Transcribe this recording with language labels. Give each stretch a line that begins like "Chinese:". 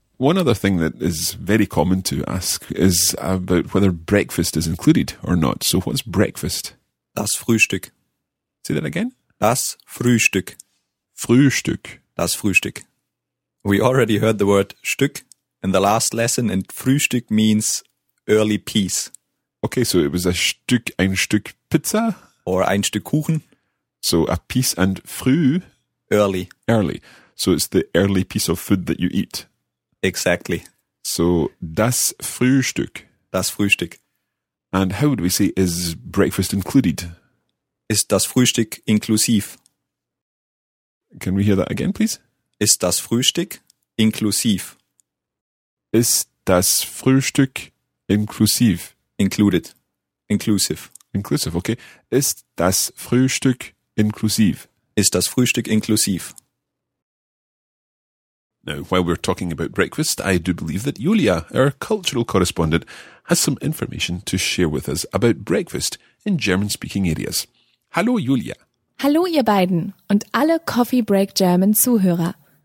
English: One other thing that is very common to ask is about whether breakfast is included or not. So what's breakfast?
German: Das Frühstück.
English: Say that again.
German: Das Frühstück. Frühstück. Das Frühstück.
English: We already heard the word Stück in the last lesson, and Frühstück means early piece. Okay, so it was
German: ein Stück Pizza. Or ein Stück Kuchen.
English: So a piece and früh. Early. Early. So it's the early piece of food that you eat. Exactly.
German: So, das Frühstück. Das Frühstück.
English: And how would we say, is breakfast included?
German: Ist das Frühstück inklusiv?
English: Can we hear that again, please?
German: Ist das Frühstück inklusiv? Ist das Frühstück inklusiv?
English: Included. Inclusive. Inclusive, okay.
German: Ist das Frühstück inklusiv? Ist das Frühstück inklusiv?
English: Now, while we're talking about breakfast, I do believe that Julia, our cultural correspondent, has some information to share with us about breakfast in German-speaking areas.
German: Hallo, Julia. Hallo, ihr beiden und alle Coffee Break German Zuhörer.